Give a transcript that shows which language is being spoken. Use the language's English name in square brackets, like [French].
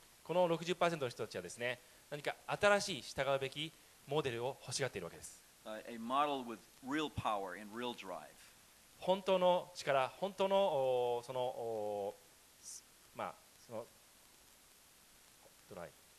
[Japanese] この 60% の人たちはですね、何か新しい従うべきモデルを欲しがっているわけです。 [English] A model with real power and real drive. [Japanese] 本当の力、本当のその、そのドライ、